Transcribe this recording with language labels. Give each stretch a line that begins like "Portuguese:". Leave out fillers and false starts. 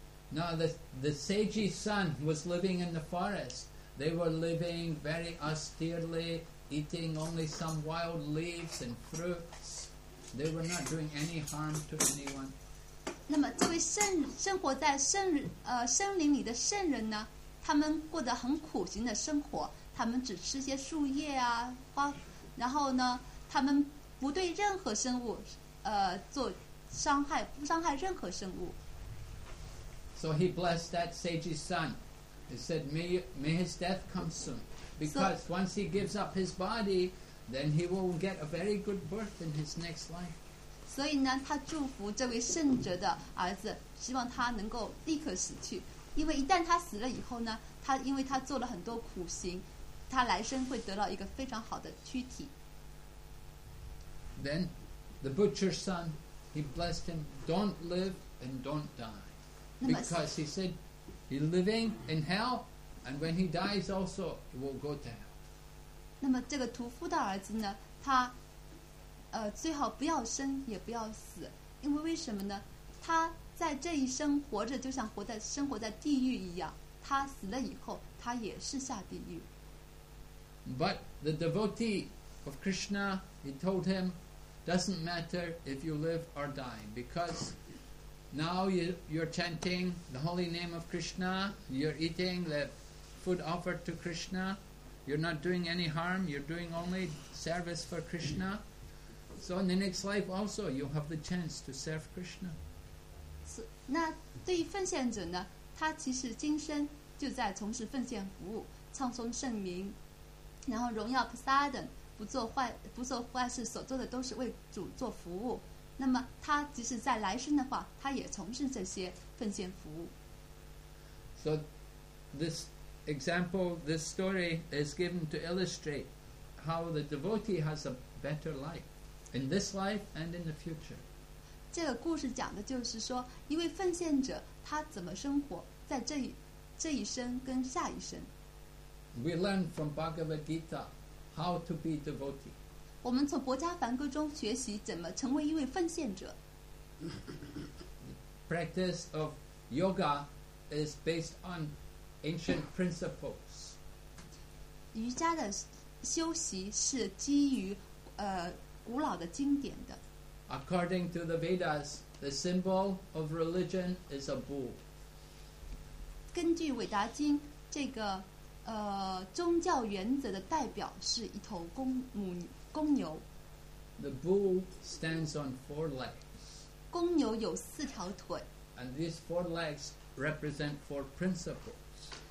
English: Now the sage's son was living in the forest. They were living very austerely, eating only some wild leaves and fruits. They were not doing any harm to anyone.
Chinese: 那么这位生活在森林里的圣人呢，他们过得很苦行的生活，他们只吃些树叶啊花，然后呢，他们不对任何生物做伤害，不伤害任何生物。
English: So he blessed that sage's son. He said, may his death come soon. Because so, once he gives up his body, then he will get a very good birth in his next life.
Chinese: 所以呢，他祝福这位圣者的儿子，希望他能够立刻死去。因为一旦他死了以后呢，他因为他做了很多苦行，他来生会得到一个非常好的躯体。
English: Then the butcher's son, he blessed him, don't live and don't die. Because he said, he's living in hell, and when he dies also, he will go to hell.
Chinese: 那么这个屠夫的儿子呢，他最好不要生也不要死，因为为什么呢？他在这一生活着就像生活在地狱一样，他死了以后他也是下地狱。
English: But the devotee of Krishna, he told him, doesn't matter if you live or die, because now you're chanting the holy name of Krishna, you're eating the food offered to Krishna, you're not doing any harm, you're doing only service for Krishna. So in the next life also, you'll have the chance to serve Krishna.
Chinese: 那对于奉献者呢，他其实今生就在从事奉献服务，唱诵圣名，然后荣耀菩萨等，不做坏事，所做的都是为主做服务。那么他即使在来生的话，他也从事这些奉献服务。
English: So this example, this story is given to illustrate how the devotee has a better life in this life and in the future.
Chinese: 这个故事讲的就是说，一位奉献者他怎么生活在这一生跟下一生。
English: We learn from Bhagavad Gita how to be a devotee.
Chinese: 我们从《博伽梵歌》中学习怎么成为一位奉献者。
English: Practice of yoga is based on ancient principles.
Chinese: 瑜伽的修习是基于古老的经典的。
English: According to the Vedas, the symbol of religion is a bull.
Chinese: 根据韦达经这个。宗教原则的代表是一头公牛。
English: The bull stands on four legs.
Chinese: 公牛有四条腿。
English: And these four legs represent four principles.